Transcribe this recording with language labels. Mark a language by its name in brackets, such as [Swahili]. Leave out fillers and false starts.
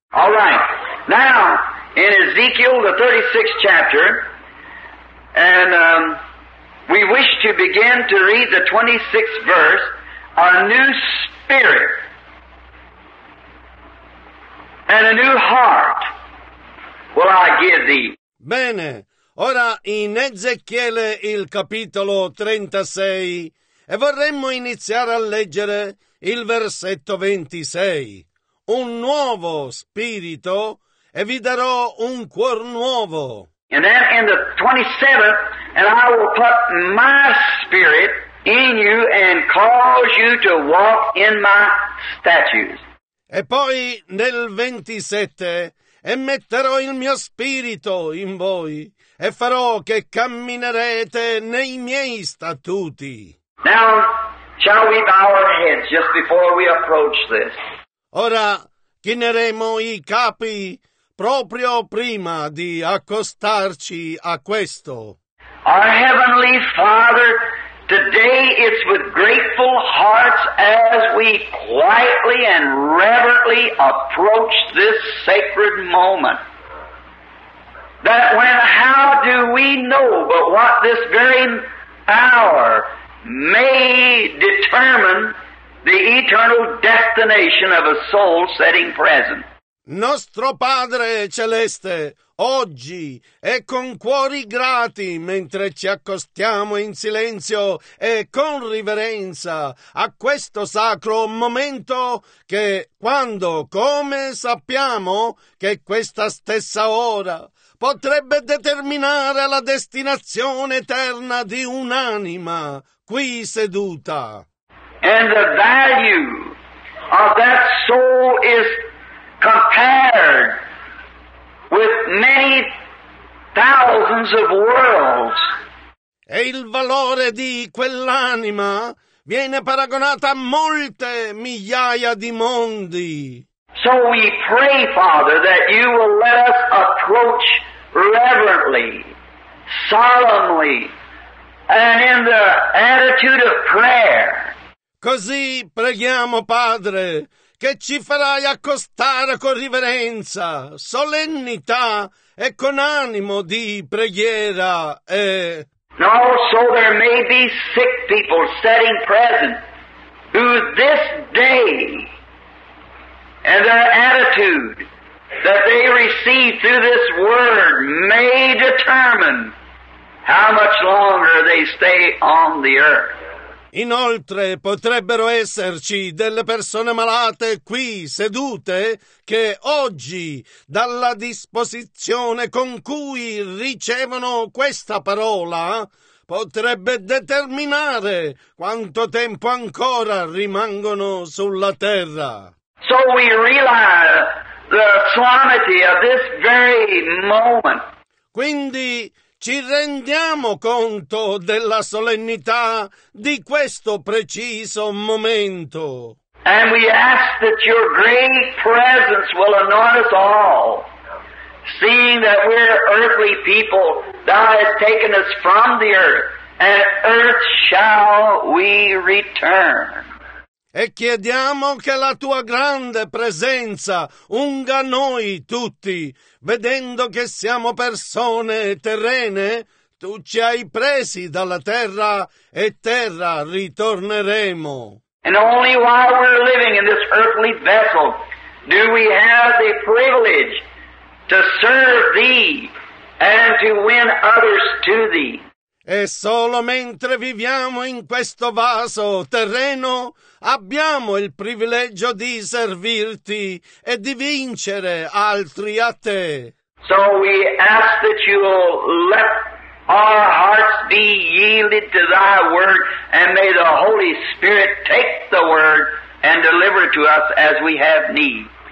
[English] All right. Now, in Ezekiel, the 36th chapter, and we wish to begin to read the 26th verse, a new spirit. And a new heart will I give thee. [Italian] Bene, ora in Ezechiele il capitolo 36 e vorremmo iniziare a leggere il versetto 26. Un nuovo spirito e vi darò un cuor nuovo. [English] And then in the 27th, and I will put my spirit in you and cause you to walk in my statutes. [Italian] E poi nel 27, e metterò il mio spirito in voi, e farò che camminerete nei miei statuti. [English] Now, shall we bow our heads just before we approach this? [Italian] Ora, chineremo i capi proprio prima di accostarci a questo. [English] Our Heavenly Father, today it's with grateful hearts as we quietly and reverently approach this sacred moment. That when, how do we know but what this very hour may determine the eternal destination of a soul sitting present. [Italian] Nostro Padre Celeste, oggi e con cuori grati mentre ci accostiamo in silenzio e con riverenza a questo sacro momento che quando, come sappiamo che questa stessa ora potrebbe determinare la destinazione eterna di un'anima qui seduta. [English] And the value of that soul is compared with many thousands of worlds. [Italian] E il valore di quell'anima viene paragonata a molte migliaia di mondi. [English] So we pray, Father, that you will let us approach reverently, solemnly, and in the attitude of prayer. [Italian] Così preghiamo, Padre, che ci farai accostare con riverenza, solennità e con animo di preghiera e... [English] No, so there may be sick people sitting present who this day and their attitude that they receive through this word may determine how much longer they stay on the earth. [Italian] Inoltre potrebbero esserci delle persone malate qui sedute che oggi, dalla disposizione con cui ricevono questa parola, potrebbe determinare quanto tempo ancora rimangono sulla terra. [English] So we realize the solemnity of this very moment. [Italian] Quindi ci rendiamo conto della solennità di questo preciso momento. [English] And we ask that your great presence will anoint us all, seeing that we're earthly people, thou hast taken us from the earth, and earth shall we return. [Italian] E chiediamo che la tua grande presenza unga noi tutti, vedendo che siamo persone terrene, tu ci hai presi dalla terra e terra ritorneremo. [English] And only while we're living in this earthly vessel do we have the privilege to serve thee and to win others to thee. [Italian] E solo mentre viviamo in questo vaso terreno, abbiamo il privilegio di servirti e di vincere altri a te. [English] So we ask that you will let our hearts be yielded to thy word, and may the Holy Spirit take the word and deliver it to us as we have need.